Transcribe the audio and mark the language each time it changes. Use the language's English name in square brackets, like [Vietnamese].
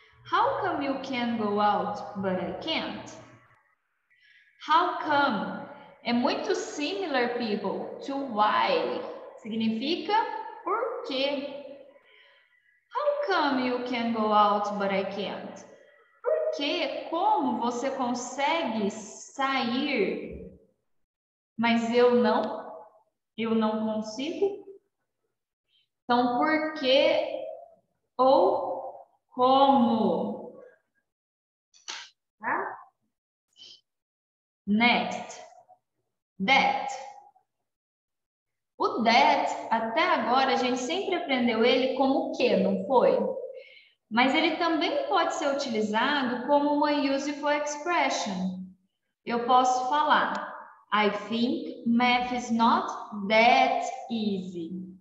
[English] How come you can go out but I can't? How come? [Portuguese] É muito similar, people, [English] to why. [Portuguese] Significa por quê. [English] How come you can go out but I can't? [Portuguese] Por quê? Como você consegue sair, mas eu não consigo? Então, por quê ou como? Tá? Next. That. O that, até agora, a gente sempre aprendeu ele como o quê, não foi? Mas ele também pode ser utilizado como uma [English] useful expression. [Portuguese] Eu posso falar, [English] I think math is not that easy.